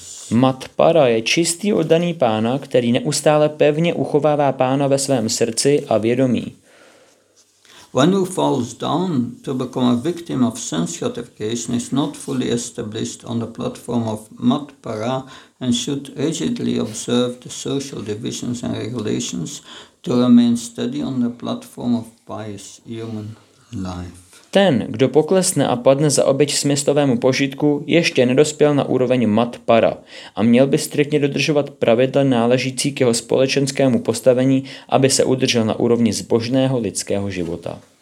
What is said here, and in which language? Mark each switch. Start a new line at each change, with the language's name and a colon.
Czech: Matpara je čistý oddaný pána, který neustále pevně uchovává pána ve svém srdci a vědomí.
English: One who falls down to become a victim of sense gratification is not fully established on the platform of Matpara and should rigidly observe the social divisions and regulations to remain steady on the platform of pious human life.
Czech: Ten, kdo poklesne a padne za oběť smyslovému požitku, ještě nedospěl na úroveň matpara a měl by striktně dodržovat pravidla náležící k jeho společenskému postavení, aby se udržel na úrovni zbožného lidského života.